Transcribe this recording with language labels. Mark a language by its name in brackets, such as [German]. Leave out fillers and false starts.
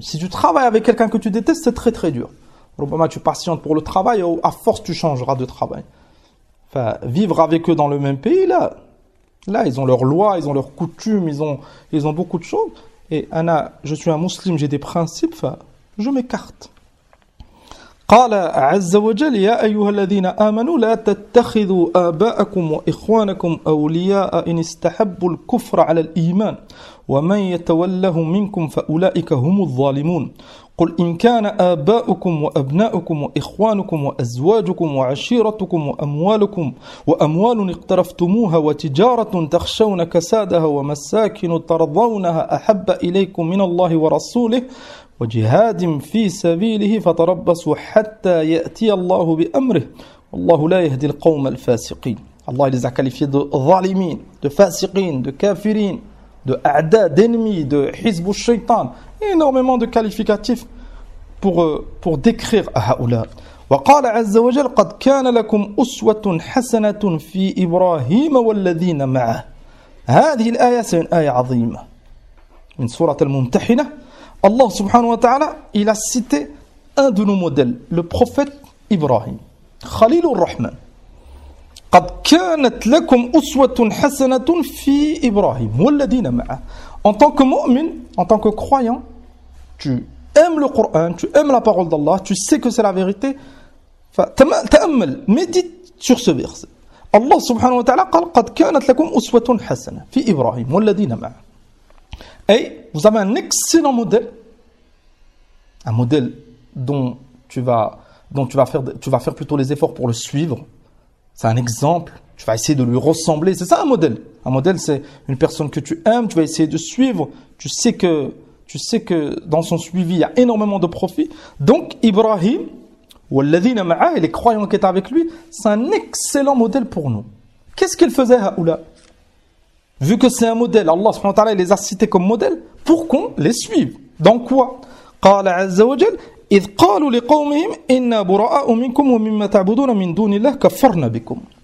[French] Si tu travailles avec quelqu'un que tu détestes, c'est très très dur. Probablement tu patientes pour le travail, ou à force tu changeras de travail. Enfin, vivre avec eux dans le même pays, là ils ont leurs lois, ils ont leurs coutumes, ils ont beaucoup de choses. Et Anna, je suis un musulman, j'ai des principes, enfin, je m'écarte. [Arabic] قال عز وجل يا أيها الذين آمنوا لا تتخذوا آباءكم وإخوانكم أولياء إن استحبوا الكفر على الإيمان ومن يتولهم منكم فأولئك هم الظالمون قل إن كان آباؤكم وأبناؤكم وإخوانكم وأزواجكم وعشيرتكم وأموال اقترفتموها وتجارة تخشون كسادها ومساكن ترضونها أحب إليكم من الله ورسوله وجهاد في سبيله فتربصوا حتى يأتي الله بأمره والله لا يهدي القوم الفاسقين. الله [French] les a qualifiés de [Arabic] ظالمين, [French] de [Arabic] فاسقين, [French] de [Arabic] كافرين, [French] de [Arabic] أعداء, [French] d'ennemis, de [Arabic] حزب الشيطان. [French] Énormément de qualificatifs pour décrire Ahaoula. [Arabic] وقال عز وجل قد كان لكم أسوة حسنة في إبراهيم والذين معه. هذه الآية [French] c'est une [Arabic] آية عظيمة من سورة الممتحنة. Allah subhanahu wa ta'ala, [French] il a cité un de nos modèles, le prophète Ibrahim, Khalilur Rahman. [Arabic] قَدْ كَانَتْ لَكُمْ أُسْوَةٌ حَسَنَةٌ فِي إِبْرَاهِيمُ وَالَّذِينَ مَعَهُ. [French] En tant que mu'min, en tant que croyant, tu aimes le Coran, tu aimes la parole d'Allah, tu sais que c'est la vérité. [Arabic] تَأَمَّلْ, [French] médite sur ce verset. [Arabic] Allah subhanahu wa ta'ala قَلْ قَدْ كَانَتْ لَكُمْ أُسْوَةٌ حَسَنَةٌ فِي إِبْرَاهِيمُ وَالَّذِينَ مَعَهُ. [French] Et vous avez un excellent modèle, un modèle dont tu vas faire plutôt les efforts pour le suivre. C'est un exemple, tu vas essayer de lui ressembler, c'est ça un modèle. Un modèle c'est une personne que tu aimes, tu vas essayer de suivre, tu sais que dans son suivi il y a énormément de profit. Donc Ibrahim, [Arabic] walladhina ma'a, [French] les croyants qui étaient avec lui, c'est un excellent modèle pour nous. Qu'est-ce qu'il faisait Haoula? Vu que c'est un modèle, [Arabic] Allah subhanahu wa ta'ala [French] les a cités comme modèle pour qu'on les suive. Dans quoi? [Arabic] قال عز وجل إذ قالوا لقومهم إنا براء منكم ومما تعبدون من دون الله كفرنا بكم.